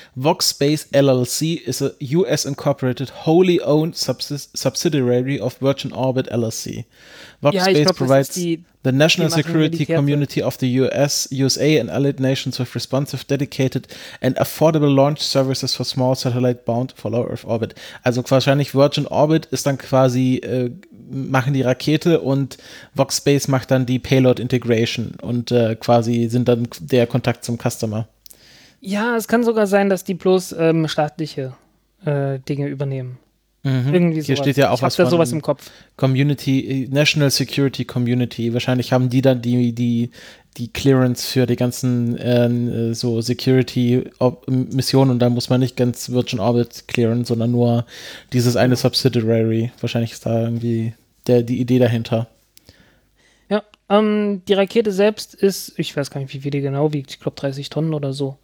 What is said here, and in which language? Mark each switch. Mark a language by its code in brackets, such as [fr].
[en] VoxSpace LLC is a US incorporated wholly owned subsidiary of Virgin Orbit LLC. VoxSpace provides the national security community of the USA and allied nations with responsive, dedicated and affordable launch services for small satellite bound for low Earth orbit. [de] Also wahrscheinlich Virgin Orbit ist dann quasi, machen die Rakete und VoxSpace macht dann die Payload Integration und quasi sind dann der Kontakt zum Customer. Ja, es kann sogar sein, dass die bloß staatliche Dinge übernehmen. Mhm. Irgendwie sowas. Hier steht ja auch ich was da sowas im Kopf. [en] Community, National Security Community. [de] Wahrscheinlich haben die dann die Clearance für die ganzen so Security-Missionen und da muss man nicht ganz Virgin Orbit clearen, sondern nur dieses eine Subsidiary. Wahrscheinlich ist da irgendwie die Idee dahinter. Ja, die Rakete selbst ist, ich weiß gar nicht, wie viel die genau wiegt, ich glaube 30 Tonnen oder so.